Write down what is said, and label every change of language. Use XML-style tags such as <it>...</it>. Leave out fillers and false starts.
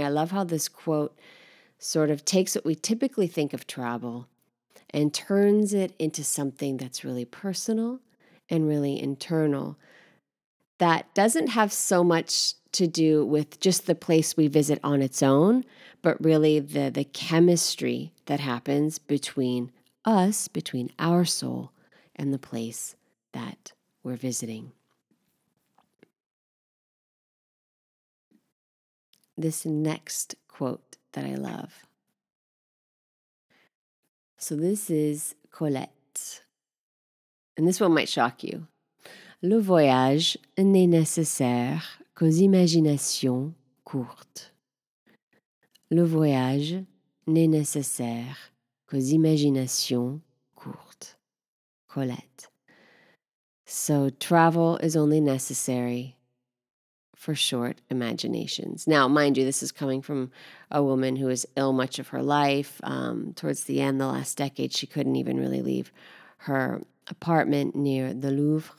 <en>I love how this quote sort of takes what we typically think of travel and turns it into something that's really personal and really internal, that doesn't have so much to do with just the place we visit on its own, but really the chemistry that happens between us, between our soul and the place that we're visiting. This next quote that I love. So this is Colette. And this one might shock you.</en> <fr>Le voyage n'est nécessaire qu'aux imaginations courtes. Le voyage n'est nécessaire qu'aux imaginations courtes. Colette.</fr> <en>So travel is only necessary for short imaginations. Now, mind you, this is coming from a woman who was ill much of her life. Towards the end, the last decade, she couldn't even really leave her apartment near the Louvre.</en>